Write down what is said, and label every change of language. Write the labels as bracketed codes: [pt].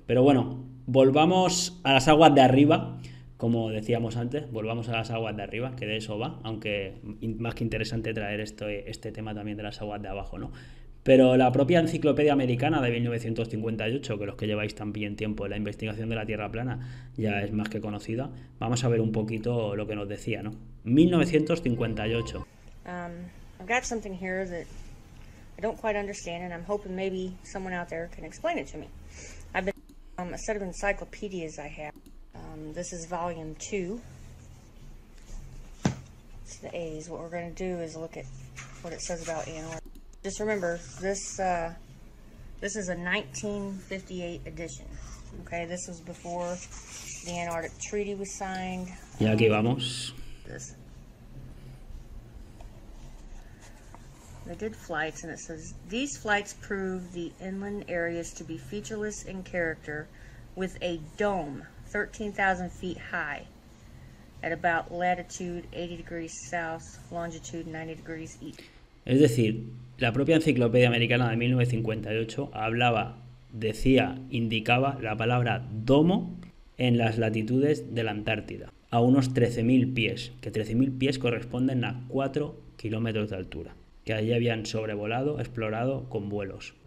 [es] Pero bueno, volvamos a las aguas de arriba. Como decíamos antes, volvamos a las aguas de arriba, que de eso va, aunque más que interesante traer este tema también de las aguas de abajo, ¿no? Pero la propia Enciclopedia Americana de 1958, que los que lleváis también tiempo en la investigación de la Tierra plana ya es más que conocida, vamos a ver un poquito lo que nos decía, ¿no? 1958. [en] I've got something here that I don't quite understand, and I'm hoping maybe someone out there can explain it to me. I've been a set of encyclopedias I have. This is volume 2. It's the A's. What we're going to do is look at what it says about Antarctica. Just remember, this is a 1958 edition. Okay, this was before the Antarctic Treaty was signed. [es] Y aquí vamos. [en] This. They did flights, and it says, these flights prove the inland areas to be featureless in character with a dome 13,000 feet high at about latitude 80 degrees south, longitude 90 degrees east. [es] Es decir, la propia Enciclopedia Americana de 1958 hablaba, decía, indicaba la palabra domo en las latitudes de la Antártida, a unos 13.000 pies, que 13.000 pies corresponden a 4 kilómetros de altura, que allí habían sobrevolado, explorado con vuelos.